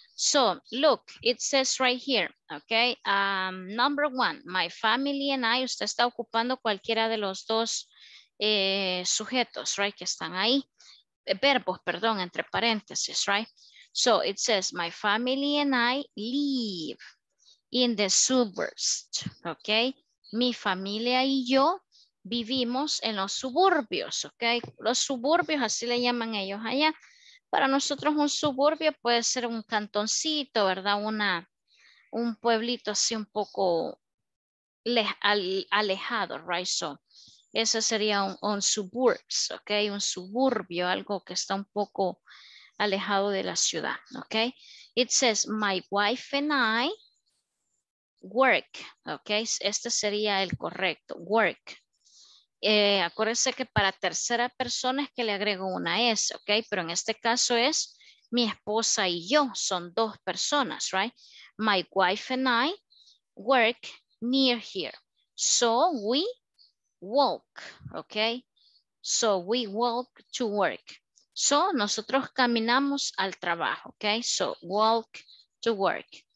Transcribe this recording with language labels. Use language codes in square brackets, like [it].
[en] So look, it says right here, okay? Number one, my family and I, [es] usted está ocupando cualquiera de los dos sujetos, right? Que están ahí. Verbos, perdón, entre paréntesis, right? [en] So it says, my family and I live in the suburbs, okay? [es] Mi familia y yo vivimos en los suburbios, okay? Los suburbios, así le llaman ellos allá. Para nosotros un suburbio puede ser un cantoncito, ¿verdad? Un pueblito así un poco alejado, right? So, ese sería un suburbs, ¿ok? Un suburbio, algo que está un poco alejado de la ciudad, ¿ok? [en] It says, my wife and I work, ¿ok? [es] Este sería el correcto, work. Acuérdense que para tercera persona es que le agrego una S, ok, pero en este caso es mi esposa y yo, son dos personas, right? [en] My wife and I work near here, so we walk, ok, so we walk to work, so [es] nosotros caminamos al trabajo, [en] ok, so walk to work.